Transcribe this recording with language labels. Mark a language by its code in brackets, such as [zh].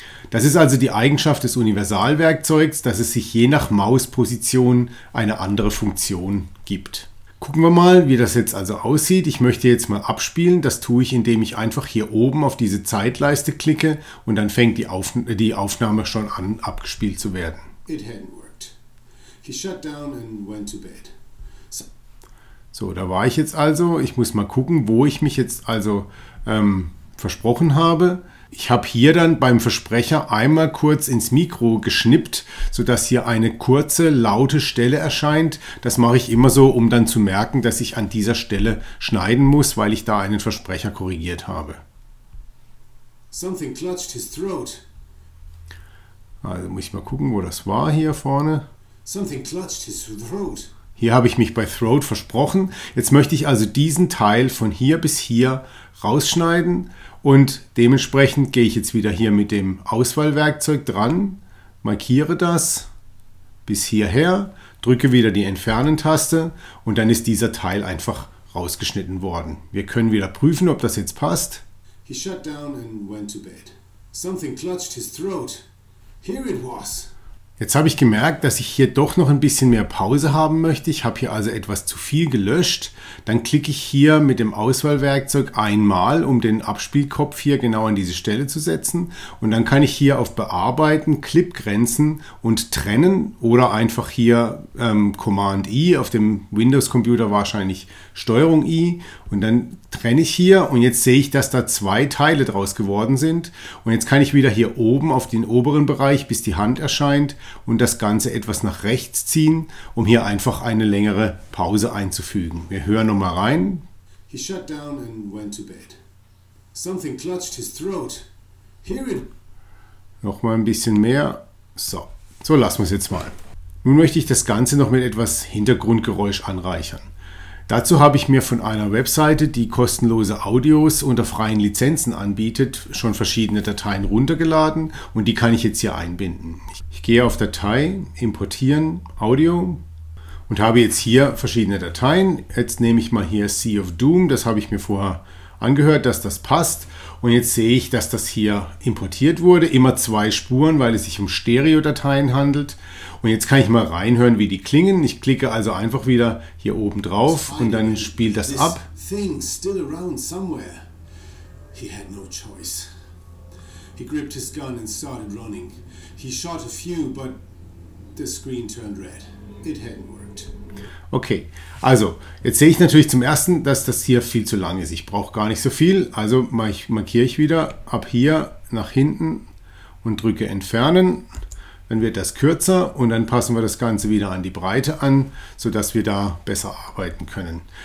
[de] Das ist also die Eigenschaft des Universalwerkzeugs, dass es sich je nach Mausposition eine andere Funktion gibt. Gucken wir mal, wie das jetzt also aussieht. Ich möchte jetzt mal abspielen. Das tue ich, indem ich einfach hier oben auf diese Zeitleiste klicke und dann fängt die Aufnahme schon an, abgespielt zu werden. [en] It hadn't worked. He shut down and went to bed. [de] So, da war ich jetzt also. Ich muss mal gucken, wo ich mich jetzt also versprochen habe. Ich habe hier dann beim Versprecher einmal kurz ins Mikro geschnippt, sodass hier eine kurze, laute Stelle erscheint. Das mache ich immer so, um dann zu merken, dass ich an dieser Stelle schneiden muss, weil ich da einen Versprecher korrigiert habe. [en] Something clutched his throat. [de] Also muss ich mal gucken, wo das war hier vorne. [en] Something clutched his throat. [de] Hier habe ich mich bei Throat versprochen. Jetzt möchte ich also diesen Teil von hier bis hier rausschneiden. Und dementsprechend gehe ich jetzt wieder hier mit dem Auswahlwerkzeug dran, markiere das bis hierher, drücke wieder die Entfernen-Taste und dann ist dieser Teil einfach rausgeschnitten worden. Wir können wieder prüfen, ob das jetzt passt. [en] He shut down and went to bed. Something clutched his throat. Here it was. [de] Jetzt habe ich gemerkt, dass ich hier doch noch ein bisschen mehr Pause haben möchte. Ich habe hier also etwas zu viel gelöscht. Dann klicke ich hier mit dem Auswahlwerkzeug einmal, um den Abspielkopf hier genau an diese Stelle zu setzen. Und dann kann ich hier auf Bearbeiten, Clipgrenzen und Trennen oder einfach hier Command-I, auf dem Windows-Computer wahrscheinlich Steuerung-I. Und dann trenne ich hier und jetzt sehe ich, dass da zwei Teile draus geworden sind. Und jetzt kann ich wieder hier oben auf den oberen Bereich, bis die Hand erscheint, und das Ganze etwas nach rechts ziehen, um hier einfach eine längere Pause einzufügen. Wir hören nochmal rein. [en] He shut down and went to bed. Something clutched his throat. Hear it. [de] Nochmal ein bisschen mehr. So, so lassen wir es jetzt mal. Nun möchte ich das Ganze noch mit etwas Hintergrundgeräusch anreichern. Dazu habe ich mir von einer Webseite, die kostenlose Audios unter freien Lizenzen anbietet, schon verschiedene Dateien runtergeladen und die kann ich jetzt hier einbinden. Ich gehe auf Datei, importieren, Audio und habe jetzt hier verschiedene Dateien. Jetzt nehme ich mal hier Sea of Doom, das habe ich mir vorher angehört, dass das passt. Und jetzt sehe ich, dass das hier importiert wurde, immer zwei Spuren, weil es sich um Stereo-Dateien handelt. Und jetzt kann ich mal reinhören, wie die klingen. Ich klicke also einfach wieder hier oben drauf und dann spielt das ab. [en] Thing still around somewhere. He had no choice. He gripped his gun and started running. He shot a few, but the screen turned red. It hadn't worked. [de] Okay, also jetzt sehe ich natürlich zum Ersten, dass das hier viel zu lang ist. Ich brauche gar nicht so viel, also markiere ich wieder ab hier nach hinten und drücke Entfernen. Dann wird das kürzer und dann passen wir das Ganze wieder an die Breite an, sodass wir da besser arbeiten können.